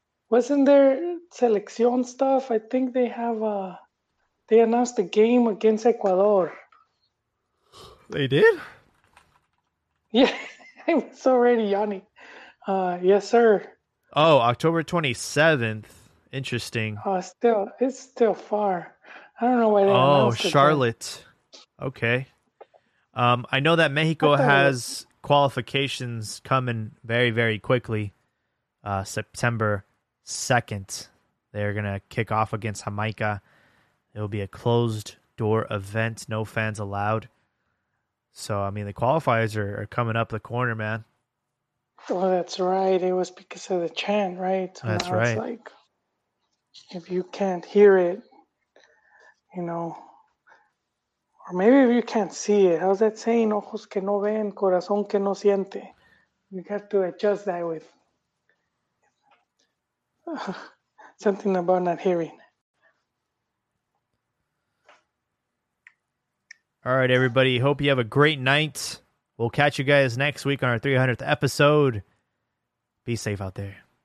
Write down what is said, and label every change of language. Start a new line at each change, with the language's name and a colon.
English: Wasn't there Selección stuff? I think they have they announced a game against Ecuador. They did? Yeah, I was already yawning. Yes, sir. Oh, October 27th. Interesting. It's still far. I don't know why they announced it. Oh, Charlotte. Okay. I know that Mexico has qualifications coming very, very quickly. September 2nd. They're going to kick off against Jamaica. It'll be a closed door event. No fans allowed. So, I mean, the qualifiers are coming up the corner, man. Oh, that's right. It was because of the chant, right? So that's right. It's like, if you can't hear it, you know, or maybe if you can't see it. How's that saying?
Spanish: Ojos que no ven, corazón que no siente.
English: You have to adjust that with something about not hearing. All right, everybody. Hope you have a great night. We'll catch you guys next week on our 300th episode. Be safe out there.